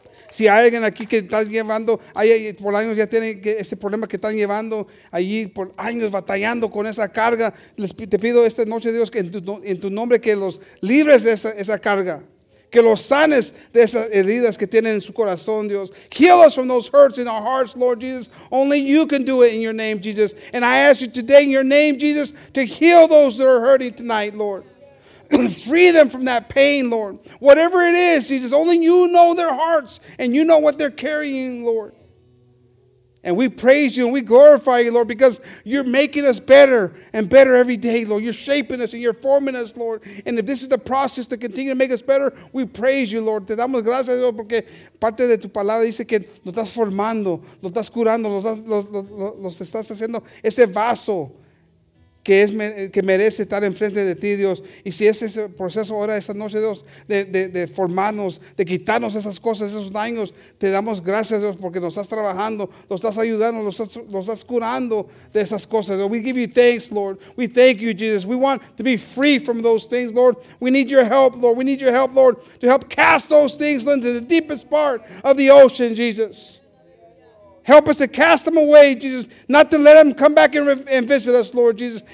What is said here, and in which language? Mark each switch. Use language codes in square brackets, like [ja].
[es] Si hay alguien aquí que está llevando, por años ya tiene este problema que están llevando allí, por años batallando con esa carga, te pido esta noche, Dios, que en tu nombre que los libres de esa carga, que los sanes de esas heridas que tienen en su corazón, Dios. [en] Heal us from those hurts in our hearts, Lord Jesus. Only you can do it in your name, Jesus. And I ask you today in your name, Jesus, to heal those that are hurting tonight, Lord. Free them from that pain, Lord. Whatever it is, Jesus, only you know their hearts and you know what they're carrying, Lord. And we praise you and we glorify you, Lord, because you're making us better and better every day, Lord. You're shaping us and you're forming us, Lord. And if this is the process to continue to make us better, we praise you, Lord. [es] Te damos gracias, Dios, porque parte de tu palabra dice que lo estás formando, lo estás curando, los estás haciendo ese vaso. Que merece estar enfrente de ti, Dios. Y si es ese proceso ahora, esta noche, Dios, de formarnos, de quitarnos esas cosas, esos daños, te damos gracias, Dios, porque nos estás trabajando, nos estás ayudando, nos estás curando de esas cosas. [en] Dios. We give you thanks, Lord. We thank you, Jesus. We want to be free from those things, Lord. We need your help, Lord. We need your help, Lord, to help cast those things into the deepest part of the ocean, Jesus. Help us to cast them away, Jesus, not to let them come back and visit us, Lord Jesus.